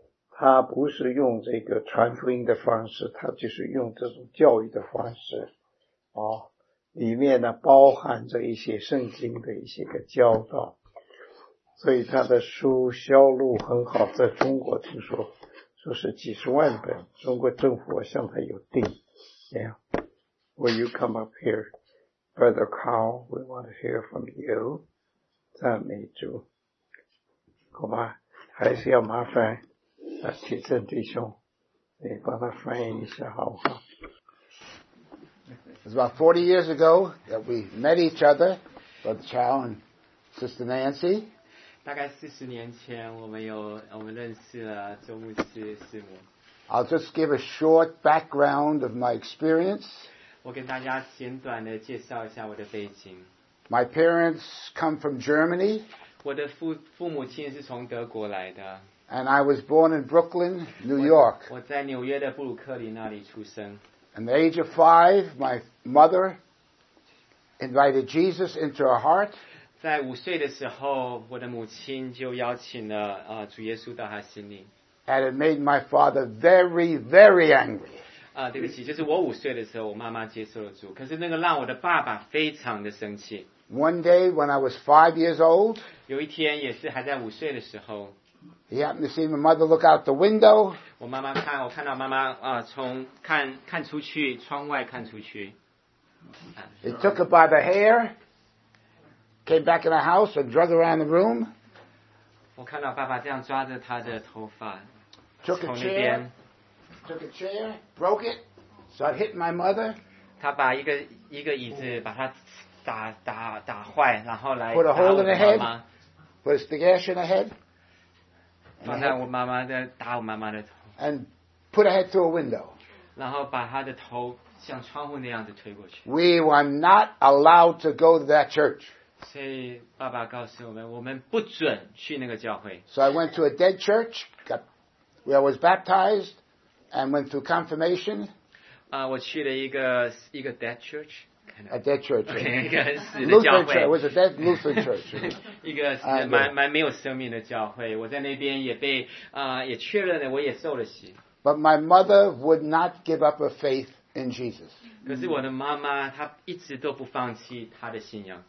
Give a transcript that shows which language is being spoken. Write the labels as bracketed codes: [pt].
[zh] 他不是用这个传福音的方式，他就是用这种教育的方式哦，里面呢包含着一些圣经的一些个教导，所以他的书销路很好，在中国听说说是几十万本，中国政府向他有订。 [en] Yeah, will you come up here, Brother Carl? We want to hear from you. [zh] 赞美主，好吧，还是要麻烦啊，铁证弟兄，你帮他翻译一下好不好？ [en] It was about 40 years ago that we met each other, Brother Chow and Sister Nancy. [zh] 大概40年前我们认识了周牧师师母。 [en] I'll just give a short background of my experience. [zh] 我跟大家简短的介绍一下我的背景。 [en] My parents come from Germany. [zh] 我的父母亲是从德国来的。 [en] And I was born in Brooklyn, New York. [zh] 我在纽约的布鲁克林那里出生。 [en] At the age of 5, my mother invited Jesus into her heart. [zh] 在五岁的时候，我的母亲就邀请了主耶稣到她心里。 [en] And it made my father very, very angry. [zh] 对不起，就是我五岁的时候，我妈妈接受了主，可是那个让我的爸爸非常的生气。 [en] One day when I was 5 years old, [zh] 有一天也是还在五岁的时候。 [en] He happened to see my mother look out the window. [zh] 我看到妈妈从看出去，窗外看出去。 [en] He took her by the hair, came back in the house and drug her around the room. [zh] 我看到爸爸这样抓着她的头发。 [en] Took a chair, broke it, started hitting my mother. [zh] 他把一个椅子把它打坏，然后来 [en] put a hole in her head, put a stigash in her head. [zh] 放在我妈妈的打我妈妈的头 [en] and put her head through a window. [zh] 然后把她的头像窗户那样子推过去。 [en] We were not allowed to go to that church. [zh] 所以爸爸告诉我们，我们不准去那个教会。 [en] So I went to a dead church, got, where I was baptized, and went through confirmation. [zh] 我去了一个 [en] dead church. A dead church. Okay, [zh] 一个死的教会。 [en] Lutheran church. It was a dead Lutheran church. [zh] 一个蛮没有生命的教会。我在那边也被也确认了，我也受了洗。 [en] But my mother would not give up her faith in Jesus. [zh] 可是我的妈妈，她一直都不放弃她的信仰。